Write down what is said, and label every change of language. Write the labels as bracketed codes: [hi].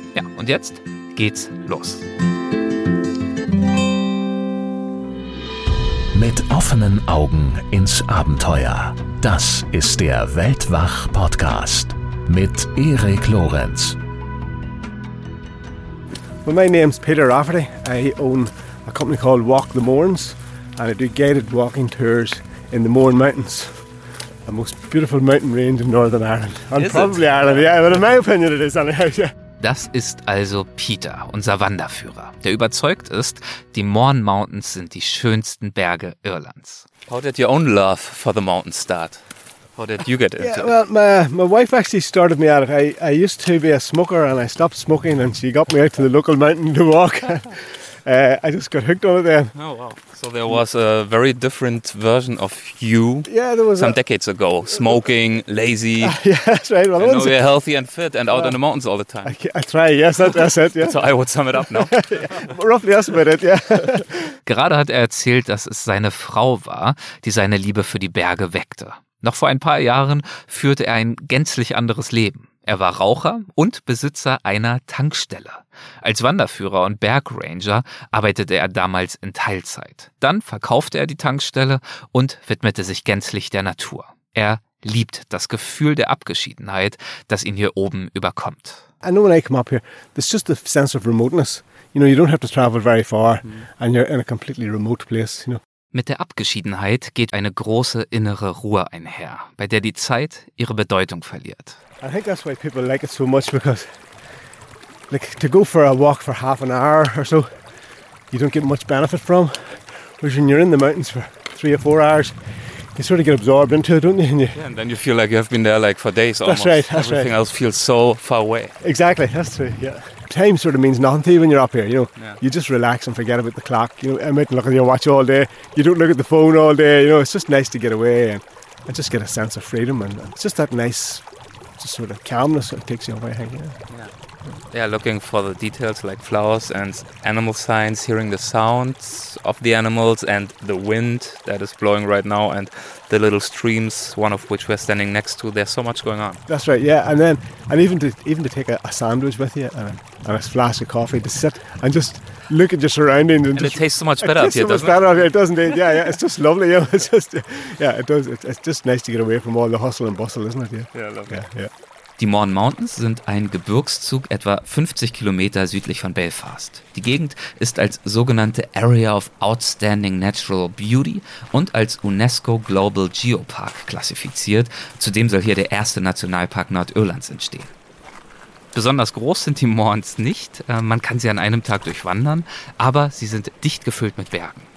[de] Ja, und jetzt geht's los. Mit offenen Augen ins Abenteuer. Das ist der Weltwach-Podcast mit Erik Lorenz. [en] Well, my name's Peter Rafferty. I own a company called Walk the Mournes, and I do guided walking tours in the Mourne Mountains, the most beautiful mountain range in Northern Ireland. And is probably it? Ireland, yeah, but in my opinion it is anyhow, yeah. [de] Das ist also Peter, unser Wanderführer, der überzeugt ist, die Mourne Mountains sind die schönsten Berge Irlands. [en] How did your own love for the mountains start? How did you get into it? Yeah, well, my wife actually started me out. I used to be a smoker and I stopped smoking and she got me out to the local mountain to walk. I just got hooked on it then. Oh, wow. So there was a very different version of you. Yeah, there was some decades ago. Smoking, lazy. Yeah, that's right. Well, and now you're healthy and fit and out in the mountains all the time. I try, yes, that's it. Yeah. So I would sum it up now. Yeah, roughly, that's about it, yeah. [de] Gerade hat er erzählt, dass es seine Frau war, die seine Liebe für die Berge weckte. Noch vor ein paar Jahren führte er ein gänzlich anderes Leben. Er war Raucher und Besitzer einer Tankstelle. Als Wanderführer und Bergranger arbeitete er damals in Teilzeit. Dann verkaufte er die Tankstelle und widmete sich gänzlich der Natur. Er liebt das Gefühl der Abgeschiedenheit, das ihn hier oben überkommt. [en] I know when I come up here, there's just a sense of remoteness. You know, you don't have to travel very far and you're in a completely remote place, you know. [de] Mit der Abgeschiedenheit geht eine große innere Ruhe einher, bei der die Zeit ihre Bedeutung verliert. [en] I think that's why people like it so much, because like to go for a walk for half an hour or so, you don't get much benefit from. Whereas when you're in the mountains for 3 or 4 hours, you sort of get absorbed into it, don't you? Yeah, and then you feel like you have been there like for days almost. That's right, that's Everything right. else feels so far away. Exactly, that's true, yeah. Time sort of means nothing to you when you're up here, you know. Yeah. You just relax and forget about the clock. You know, I mightn't look at your watch all day. You don't look at the phone all day, you know. It's just nice to get away and just get a sense of freedom. And it's just that nice just sort of calmness that takes you away, hanging. Yeah, looking for the details like flowers and animal signs, hearing the sounds of the animals and the wind that is blowing right now and the little streams, one of which we're standing next to. There's so much going on. That's right, yeah. And then, and even to take a sandwich with you and a flask of coffee to sit and just look at your surroundings. And just, it tastes so much better up here, doesn't it? It tastes so much better up here, doesn't it? Yeah, yeah, it's just lovely. Yeah, it's just, yeah, it does. It's just nice to get away from all the hustle and bustle, isn't it? Yeah, yeah, lovely. Yeah, yeah. [de] Die Mourne Mountains sind ein Gebirgszug etwa 50 Kilometer südlich von Belfast. Die Gegend ist als sogenannte Area of Outstanding Natural Beauty und als UNESCO Global Geopark klassifiziert. Zudem soll hier der erste Nationalpark Nordirlands entstehen. Besonders groß sind die Mournes nicht, man kann sie an einem Tag durchwandern, aber sie sind dicht gefüllt mit Bergen.